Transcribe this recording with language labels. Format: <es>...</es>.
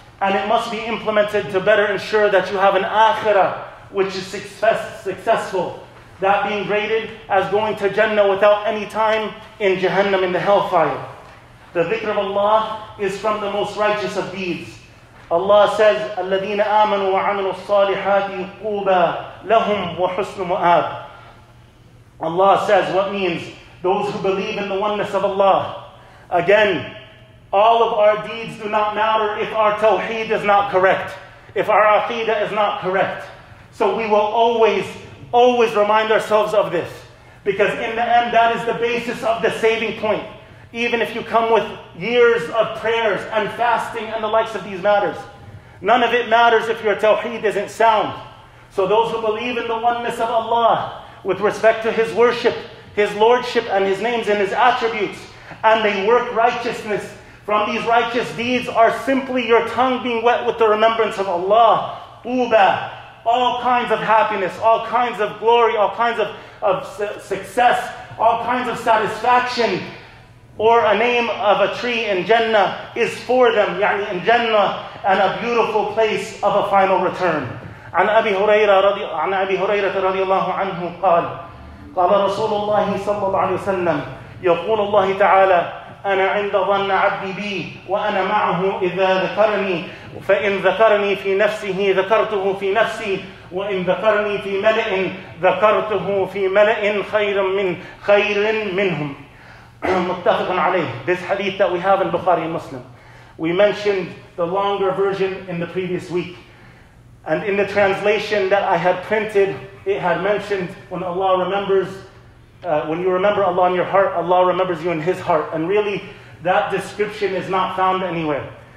<en>And it must be implemented to better ensure that you have an akhirah which is successful. That being graded as going to Jannah without any time in Jahannam in the hellfire. The dhikr of Allah is from the most righteous of deeds.</en> <ar>Allah says, الَّذِينَ آمَنُوا وَعَمِلُوا الصَّالِحَاتِ قُوبَى لَهُمْ وَحُسْنُ مُؤَابٍ.</ar> <en>Allah says, what means? Those who believe in the oneness of Allah. Again, all of our deeds do not matter if our tawheed is not correct, if our aqeedah is not correct. So we will always, always remind ourselves of this. Because in the end, that is the basis of the saving point. Even if you come with years of prayers and fasting and the likes of these matters, none of it matters if your tawheed isn't sound. So those who believe in the oneness of Allah with respect to His worship, His lordship and His names and His attributes, and they work righteousness from these righteous deeds are simply your tongue being wet with the remembrance of Allah. Tuba, all kinds of happiness, all kinds of glory, all kinds of success, all kinds of satisfaction, or a name of a tree in Jannah is for them, يعني in Jannah, and a beautiful place of a final return.</en> <ar>عن أبي هريرة رضي الله عنه قال قال رسول الله صلى الله عليه وسلم يقول الله تعالى أنا عند ظن عبدي بي وأنا معه إذا ذكرني فإن ذكرني في نفسه ذكرته في نفسي وإن ذكرني في ملئ ذكرته في ملئ خير منهم متفق عليه.</ar> <en>This hadith that we have in Bukhari and Muslim. We mentioned the longer version in the previous week. And in the translation that I had printed, it had mentioned when Allah remembers, when you remember Allah in your heart, Allah remembers you in His heart. And really, that description is not found anywhere.</en>